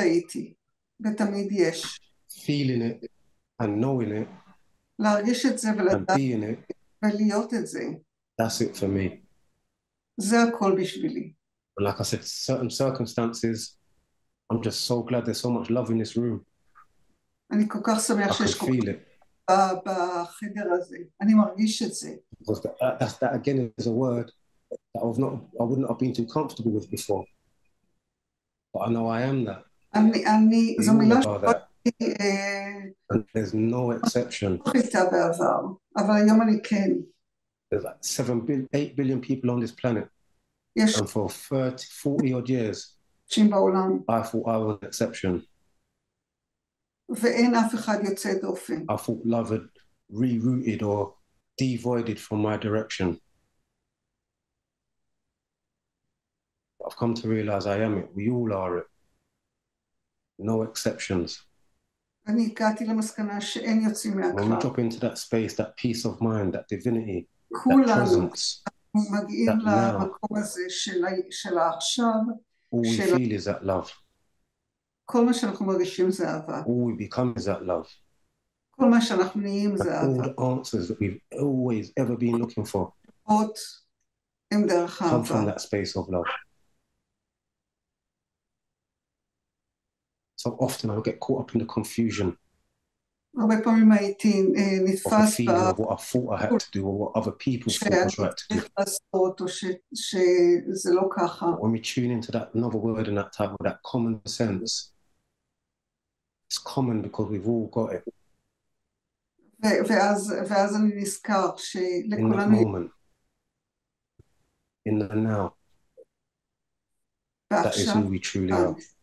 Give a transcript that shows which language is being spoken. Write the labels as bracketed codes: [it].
[en] Feeling it and knowing it. And being it. That's it for me. And like I said, certain circumstances, I'm just so glad there's so much love in this room. [he] אני כל כך שמח שיש כל כך בחדר הזה. אני מרגיש את זה. [en] Because that again is a word that I would not have been too comfortable with before. But I know I am that. [he] אני זו מילה שקראתי. [en] And there's no exception. [he] אבל היום אני כן. [en] There's like 8 billion people on this planet. [he] יש. [en] And for 40 odd years. [he] שם בעולם. [en] I thought I was an exception. [he] ואין אף אחד יוצא דופן. [en] I thought love had rerouted or devoided from my direction. But I've come to realize I am it. We all are it. No exceptions. [he] אני הגעתי למסקנה שאין יוצאים מהכלל. [en] When you drop into that space, that peace of mind, that divinity, [he] כולנו [en] that presence, [he] מגיעים למקום הזה של עכשיו, [en] all [he] של... [en] we feel is that love. [he] כל מה שאנחנו מרגישים זה אהבה. [en] All we become is that love. [he] כל מה שאנחנו נהיים זה אהבה. [en] All the answers that we've always ever been looking for. [he] עוד הם דרך אהבה. [en] Come from that space of love. So often I'll get caught up in the confusion. [he] הרבה פעמים הייתי נתפס ב... [en] Of what I thought I had to do, or what other people thought I was right to do. [he] שצריך לעשות, או שזה לא ככה. [en] But when we tune into that another word in that title, that common sense, it's common because we've all got it. [he] ואז אני נזכר שלכולנו... [en] In the moment. In the now. That is who we truly are.